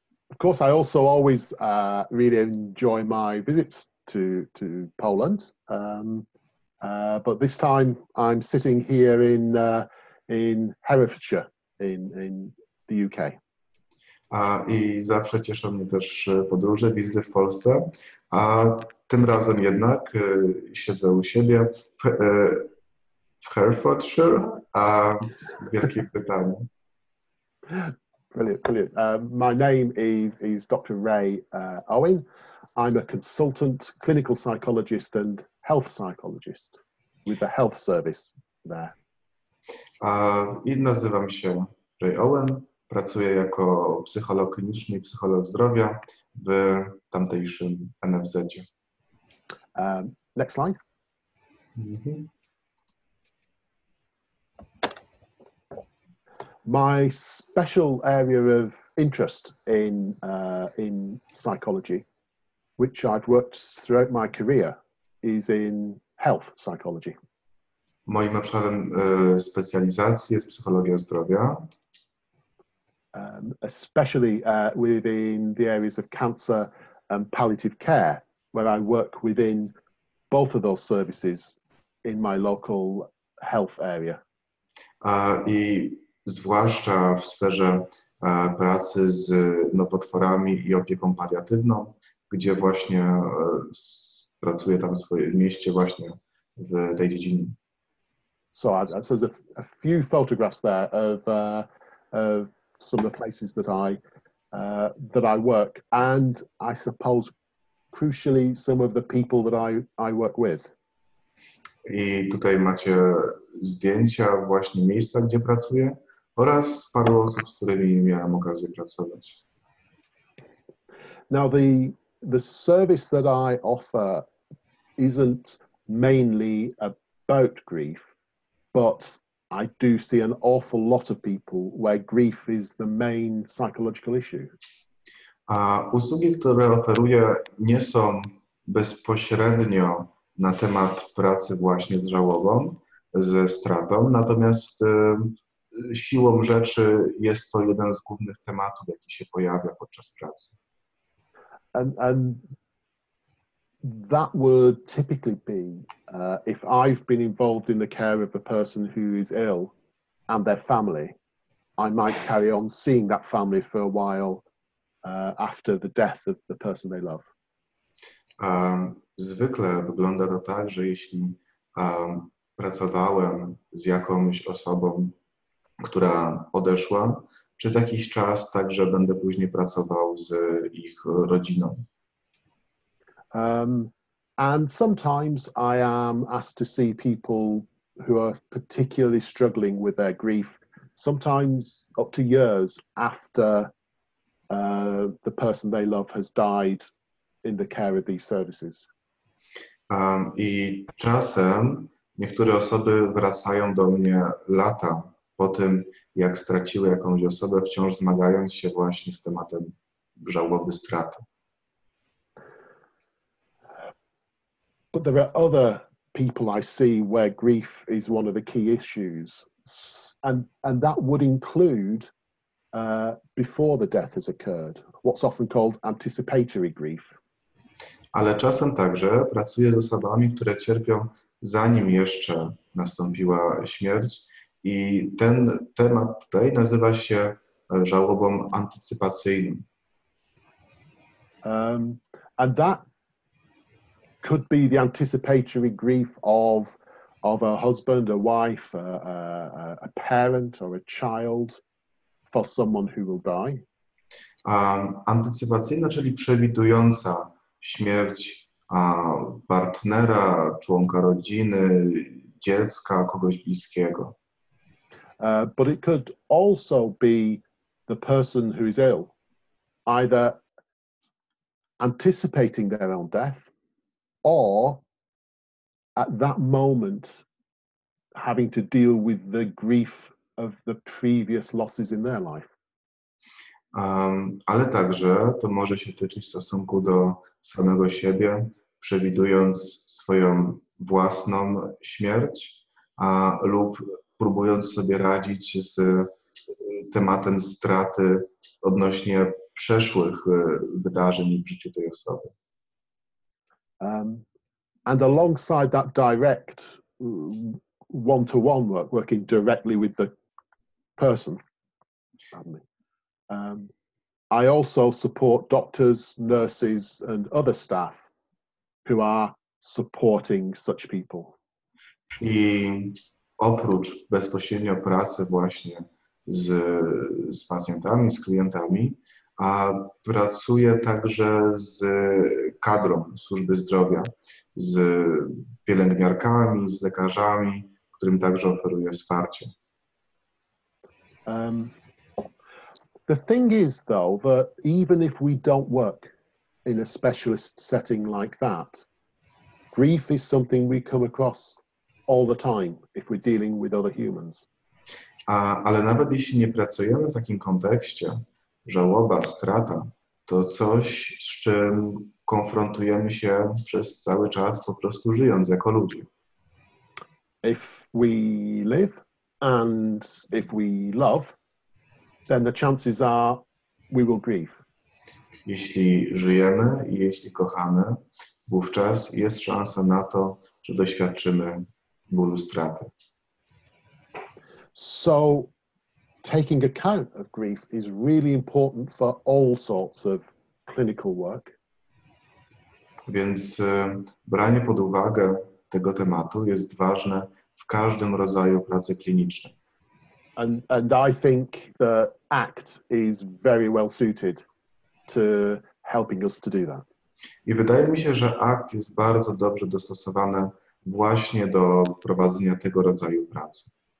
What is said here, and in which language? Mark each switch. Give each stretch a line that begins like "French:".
English: Of course, I also always really enjoy my visits to Poland. But this time I'm sitting here in Herefordshire in the UK.
Polish: I zawsze cieszą mnie też podróże, wizyty w Polsce. A tym razem jednak siedzę u siebie w Herefordshire, a Wielkiej Brytanii.
English: Brilliant. My name is Dr. Ray Owen. I'm a consultant, clinical psychologist and health psychologist with the health service there.
Polish: I nazywam się Ray Owen. Pracuję jako psycholog kliniczny i psycholog zdrowia w tamtejszym NFZ-cie.
English: Next slide. Mm-hmm. My special area of interest in psychology, which I've worked throughout my career, is in health psychology.
Polish: Moim obszarem specjalizacji jest psychologia zdrowia.
English: Especially within the areas of cancer and palliative care, where I work within both of those services in my local health area.
Polish: I zwłaszcza w sferze pracy z nowotworami i opieką paliatywną, gdzie właśnie pracuję tam w swoim mieście właśnie w tej dziedzinie.
English: So there's a few photographs there of some of the places that I work, and I suppose crucially some of the people that I work with.
Polish: I tutaj macie zdjęcia właśnie miejsca, gdzie pracuję, oraz paru osób, z którymi miałem okazję pracować.
English: Now the service that I offer isn't mainly about grief, but I do see an awful lot of people where grief is the main psychological issue.
Polish: Usługi, które oferuję, nie są bezpośrednio na temat pracy właśnie z żałobą, ze stratą, natomiast siłą rzeczy jest to jeden z głównych tematów, jaki się pojawia podczas pracy.
English: And that would typically be if I've been involved in the care of a person who is ill and their family, I might carry on seeing that family for a while after the death of the person they love.
Polish: Zwykle wygląda to tak, że jeśli pracowałem z jakąś osobą, która odeszła, przez jakiś czas także będę później pracował z ich rodziną.
English: And sometimes I am asked to see people who are particularly struggling with their grief, sometimes up to years after the person they love has died in the care of these services.
Polish: I czasem niektóre osoby wracają do mnie lata po tym, jak straciły jakąś osobę, wciąż zmagając się właśnie z tematem żałoby straty.
English: But there are other people I see where grief is one of the key issues. And that would include before the death has occurred, what's often called anticipatory grief.
Polish: Ale czasem także pracuję z osobami, które cierpią zanim jeszcze nastąpiła śmierć. I ten temat tutaj nazywa się żałobą antycypacyjną.
English: And that could be the anticipatory grief of a husband, a wife, a parent or a child for someone who will die.
Polish: Antycypacyjna, czyli przewidująca śmierć partnera, członka rodziny, dziecka, kogoś bliskiego.
English: But it could also be the person who is ill, either anticipating their own death or at that moment having to deal with the grief of the previous losses in their life.
Polish: Ale także to może się tyczyć stosunku do samego siebie, przewidując swoją własną śmierć, lub próbując sobie radzić z tematem straty odnośnie przeszłych wydarzeń w życiu tej osoby.
English: And alongside that direct one-to-one work, working directly with the person, I also support doctors, nurses, and other staff who are supporting such people.
Polish: I oprócz bezpośrednio pracy właśnie z pacjentami, z klientami, a pracuję także z kadrą służby zdrowia, z pielęgniarkami, z lekarzami, którym także oferuję wsparcie.
English: The thing is, though, that even if we don't work in a specialist setting like that, grief is something we come across all the time if we're dealing with other humans.
Polish: Ale nawet jeśli nie pracujemy w takim kontekście, żałoba, strata, to coś, z czym konfrontujemy się przez cały czas, po prostu żyjąc jako ludzie.
English: If we live and if we love, then the chances are we will grieve.
Polish: Jeśli żyjemy i jeśli kochamy, wówczas jest szansa na to, że doświadczymy bólu straty.
English: So taking account of grief is really important for all sorts of clinical work.
Polish: Więc branie pod uwagę tego tematu jest ważne w każdym rodzaju pracy klinicznej.
English: And I think the ACT is very well suited to helping us to do that.
Polish: I wydaje mi się, że ACT jest bardzo dobrze dostosowany właśnie do prowadzenia tego rodzaju pracy.